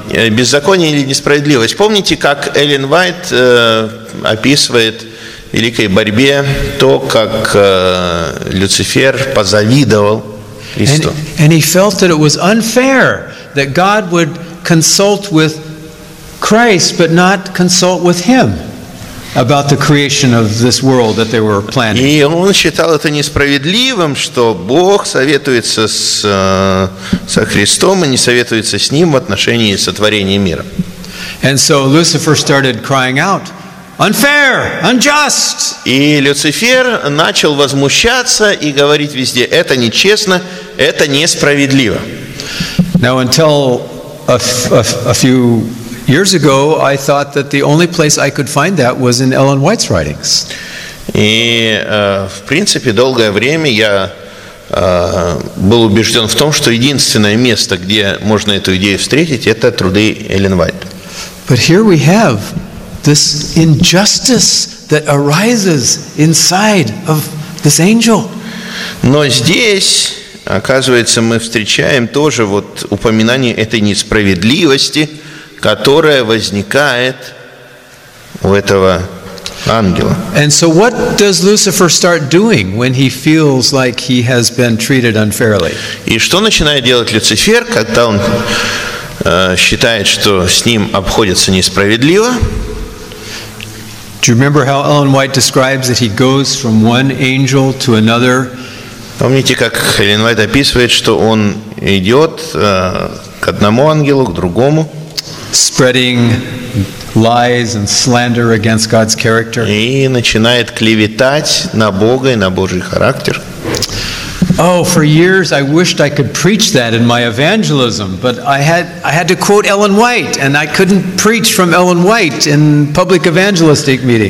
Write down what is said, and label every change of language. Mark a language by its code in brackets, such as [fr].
[ru] Беззаконие или несправедливость. Помните, как Эллен Уайт описывает великой борьбе то, как Люцифер позавидовал Христу. [en] And he felt that it was unfair that God would consult with Christ, but not consult with him about the creation of this world that they were planning. [ru] И он считал это несправедливым, что Бог советуется со Христом и не советуется с ним в отношении сотворения мира. [en] And so Lucifer started crying out, unfair, unjust. [ru] И Люцифер начал возмущаться и говорить везде: это нечестно, это несправедливо. [en] Now, until a few years ago, I thought that the only place I could find that was in Ellen White's writings. [ru] И в принципе долгое время я был убежден в том, что единственное место, где можно эту идею встретить, это труды Эллен Уайт. [en] But here we have this injustice that arises inside of this angel. [ru] Но здесь, оказывается, мы встречаем тоже вот упоминание этой несправедливости, которая возникает у этого ангела. [en] And so what does Lucifer start doing when he feels like he has been treated unfairly? [ru] И что начинает делать Люцифер, когда он считает, что с ним обходятся несправедливо? [en] Do you remember how Ellen White describes that he goes from one angel to another? [ru] Помните, как Эллен Уайт описывает, что он идет к одному ангелу, к другому? [en] Spreading lies and slander against God's character. [ru] И начинает клеветать на Бога и на Божий характер. [en] Oh, for years I wished I could preach that in my evangelism, but I had to quote Ellen White, and I couldn't preach from Ellen White in public evangelistic meetings.